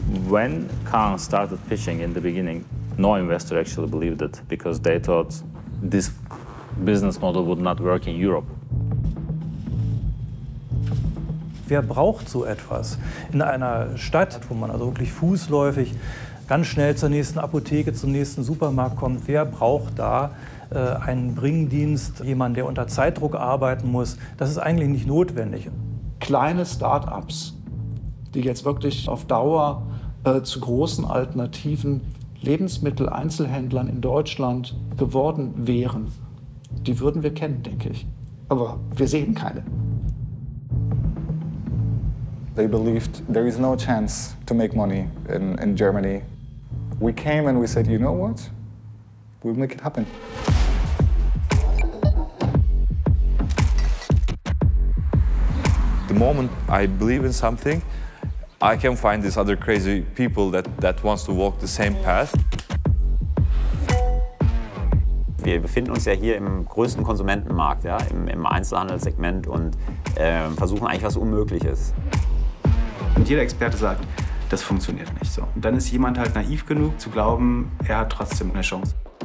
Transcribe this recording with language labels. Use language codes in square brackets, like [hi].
[en] When Kahn started pitching in the beginning, no investor actually believed it because they thought this business model would not work in Europe. [de] Wer braucht so etwas in einer Stadt, wo man also wirklich fußläufig ganz schnell zur nächsten Apotheke, zum nächsten Supermarkt kommt? Wer braucht da einen Bringdienst, jemanden, der unter Zeitdruck arbeiten muss? Das ist eigentlich nicht notwendig. Kleine Start-ups, die jetzt wirklich auf Dauer zu großen alternativen Lebensmitteleinzelhändlern in Deutschland geworden wären, die würden wir kennen, denke ich. Aber wir sehen keine. [en] They believed there is no chance to make money in Germany. We came and we said, you know what? We'll make it happen. The moment I believe in something, I can find these other crazy people that wants to walk the same path. [de] Wir befinden uns ja hier im größten Konsumentenmarkt, ja, im Einzelhandelssegment und versuchen eigentlich was Unmögliches. Und jeder Experte sagt, das funktioniert nicht so. Und dann ist jemand halt naiv genug zu glauben, er hat trotzdem eine Chance.